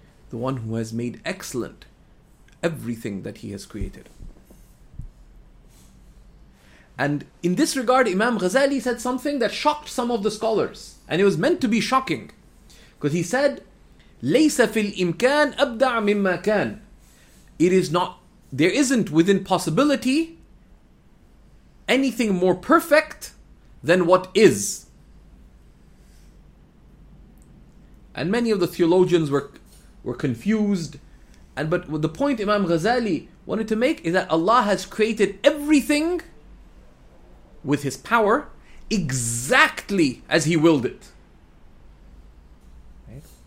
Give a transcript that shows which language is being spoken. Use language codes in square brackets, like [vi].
[en] The one who has made excellent everything that he has created. And in this regard, Imam Ghazali said something that shocked some of the scholars. And it was meant to be shocking. Because he said, [ar] لَيْسَ فِي الْإِمْكَانِ أَبْدَعْ مِمَّا كَانِ. [en] It is not, there isn't within possibility anything more perfect than what is. And many of the theologians were confused. But the point Imam Ghazali wanted to make is that Allah has created everything with his power, exactly as he willed it. Right?